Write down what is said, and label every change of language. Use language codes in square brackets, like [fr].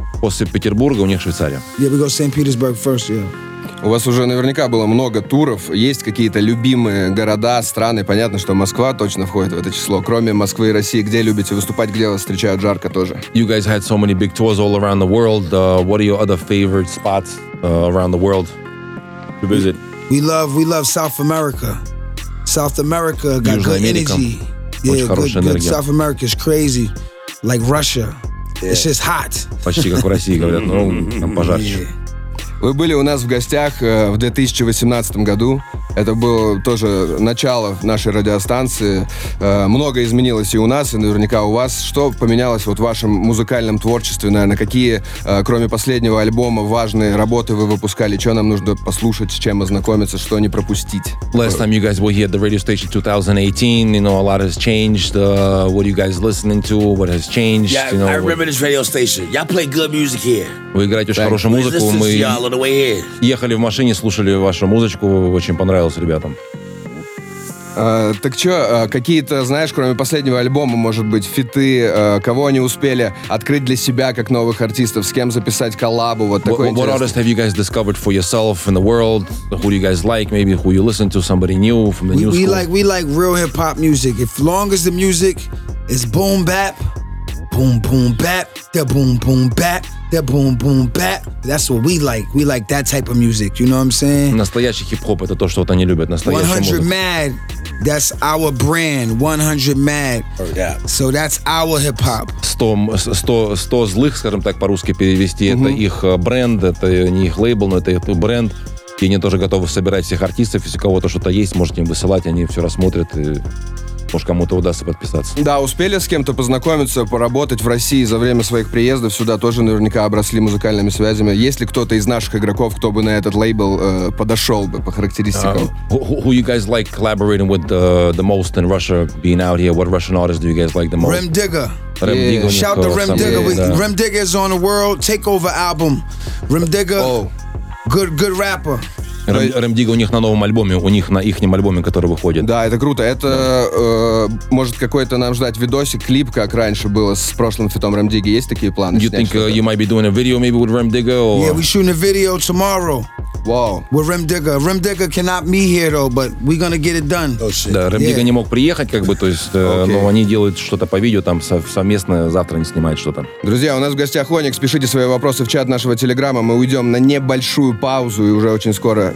[ru] После Петербурга у них Швейцария. [en] Yeah, we go to St. Petersburg first, yeah. [ru] У вас уже наверняка было много туров. Есть какие-то любимые города, страны? Понятно, что Москва точно входит в это число. Кроме Москвы и России, где любите выступать, где вас встречают жарко тоже? [en] You guys had so many big tours all around the world. What are your other favorite spots around the world to visit? We love South America. South America got [ru] Южная [en] good [ru] Америка. [en] Energy. [ru] Yeah, очень хорошая [en] good, [ru] энергия. [en] Good South America is crazy. Like Russia. Yeah. It's just hot. [ru] Почти как в России, говорят, ну, там пожарче. [en] Yeah. [ru] Вы были у нас в гостях в 2018 году. Это было тоже начало нашей радиостанции. Многое изменилось и у нас, и наверняка у вас. Что поменялось вот в вашем музыкальном творчестве? Наверное, какие, кроме последнего альбома, важные работы вы выпускали? Что нам нужно послушать, с чем ознакомиться, что не пропустить? [en] Last time you guys were here at the radio station 2018, you know, a lot has changed. What are you guys listening to? What has changed? Yeah, you know, I remember this radio station. Y'all play good music here. [ru] Вы играете очень хорошую музыку. Мы ехали в машине, слушали вашу музычку, очень понравилось ребятам. Так что, какие-то, знаешь, кроме последнего альбома, может быть, фиты, кого они успели открыть для себя как новых артистов, с кем записать коллабу, вот такое интересное. [en] What artists have you guys discovered for yourself in the world? Who do you guys like, maybe who you listen to, somebody new from the new school? We like real hip-hop music. As long as the music is boom-bap, boom-boom-bap, the boom-boom-bap, that boom boom bap. That's what we like. We like that type of music. You know what I'm saying? [ru] Настоящий хип-хоп — это то, что вот они любят. Настоящий [en] 100 Mad. That's our brand. 100 Mad. Oh, yeah. So that's our hip-hop. [ru] 100 злых, скажем так, по-русски перевести. Mm-hmm. Это их бренд, это не их лейбл, но это их бренд. И они тоже готовы собирать всех артистов. Если у кого-то что-то есть, можете им высылать, они все рассмотрят и... Может, кому-то удастся подписаться. Да, успели с кем-то познакомиться, поработать в России за время своих приездов сюда, тоже наверняка обросли музыкальными связями. Есть ли кто-то из наших игроков, кто бы на этот лейбл подошел бы по характеристикам? [en] Who you guys like collaborating with the most in Russia, being out here? What Russian artists do you guys like the most? Rem Digga. Rem Digga. Yeah. Shout to Rem Digga. Rem Digga is on the world takeover album. Rem Digga, good rapper. [ru] Рэм Дигга у них на новом альбоме, у них на ихнем альбоме, который выходит. Да, это круто. Это, да. Может, какой-то нам ждать видосик, клип, как раньше было с прошлым фитом Рэм Дигги. Есть такие планы? [en] You think you might be doing a video maybe with Rem Digga? Or... Yeah, we're shooting a video tomorrow. Wow. With Rem Digga. Rem Digga cannot be here, though, but we're gonna get it done. Oh, shit. [ru] Да, Рэм Дигга не мог приехать, как бы, то есть, okay. Но они делают что-то по видео, там совместно, завтра они снимают что-то. Друзья, у нас в гостях Onyx. Пишите свои вопросы в чат нашего Телеграма. Мы уйдем на небольшую паузу и уже очень скоро...